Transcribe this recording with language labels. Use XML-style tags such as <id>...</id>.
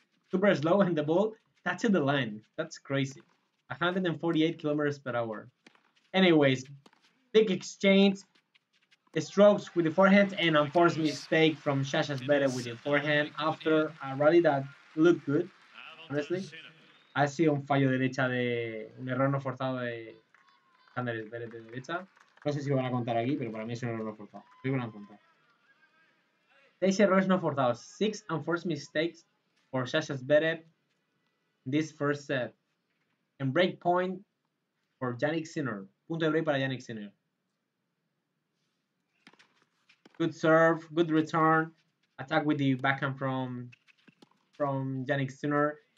<en>Super slow, and the ball touched the line. That's crazy. 148 kilometers per hour. Anyways, big exchange. Strokes with the forehand and unforced mistake from Sasha Zverev with the forehand after a rally that looked good, honestly.</en> <es>Ha sido un fallo derecha de... un error no forzado de Sander Zverev de derecha. No sé si lo van a contar aquí, pero para mí es un error no forzado. Sí, van a contar. 6 errores no forzados.</es> <en>6 unforced mistakes for Sasha Zverev this first set. And break point for Jannik Sinner.</en> <es>Punto de break para Jannik Sinner.</es> <en>Good serve, good return. Attack with the backhand from Jannik Sinner.</en>